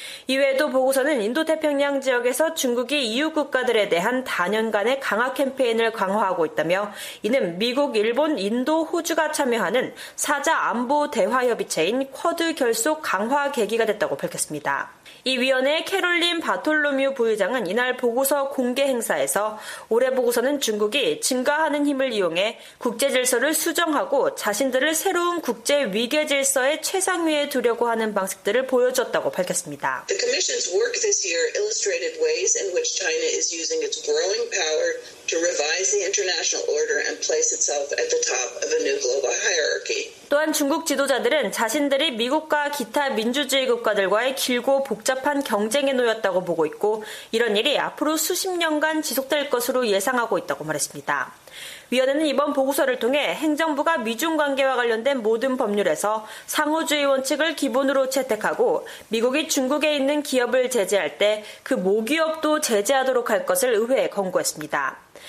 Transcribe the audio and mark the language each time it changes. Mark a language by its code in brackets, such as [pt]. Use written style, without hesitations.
[ko] 이외에도 보고서는 인도태평양 지역에서 중국이 이웃 국가들에 대한 단연간의 강화 캠페인을 강화하고 있다며 이는 미국, 일본, 인도, 호주가 참여하는 사자 안보 대화협의체인 쿼드 결속 강화 계기가 됐다고 밝혔습니다. 이 위원회의 캐롤린 바톨로뮤 부의장은 이날 보고서 공개 행사에서 올해 보고서는 중국이 증가하는 힘을 이용해 국제질서를 수정하고 자신들을 새로운 국제위계질서의 최상위에 두려고 하는 방식들을 보여줬다고 밝혔습니다. [en] The Commission's work this year illustrated ways in which China is using its growing power to revise the international order and place itself at the top of a new global hierarchy. [ko] 또한 중국 지도자들은 자신들이 미국과 기타 민주주의 국가들과의 길고 복잡한 경쟁에 놓였다고 보고 있고 이런 일이 앞으로 수십 년간 지속될 것으로 예상하고 있다고 말했습니다. 위원회는 이번 보고서를 통해 행정부가 미중 관계와 관련된 모든 법률에서 상호주의 원칙을 기본으로 채택하고 미국이 중국에 있는 기업을 제재할 때 그 모기업도 제재하도록 할 것을 의회에 권고했습니다.